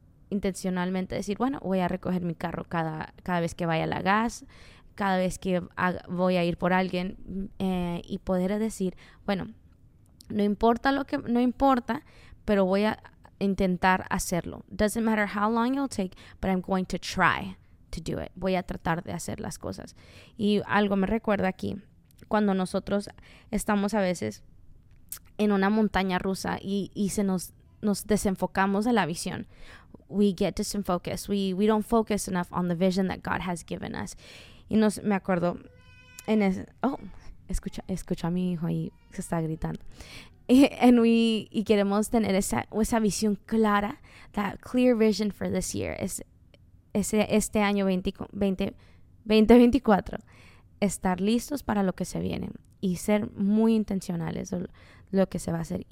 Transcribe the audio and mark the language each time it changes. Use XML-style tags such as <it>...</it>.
<es>Intencionalmente decir, bueno, voy a recoger mi carro cada vez que vaya a la gas, cada vez que voy a ir por alguien, y poder decir, bueno, no importa, pero voy a intentar hacerlo.</es> <en>Doesn't matter how long it'll take, but I'm going to try to do it.</en> <es>Voy a tratar de hacer las cosas. Y algo me recuerda aquí, cuando nosotros estamos a veces en una montaña rusa y se nos desenfocamos de la visión.</es> <en>We get disenfocused. We don't focus enough on the vision that God has given us.</en> <es>Y nos, me acuerdo en ese, escucha a mi hijo ahí, se está gritando. Y queremos tener esa visión clara,</es> <en>that clear vision for this year,</en> <es>este año 2024, estar listos para lo que se viene y ser muy intencionales lo que se va a hacer.</es>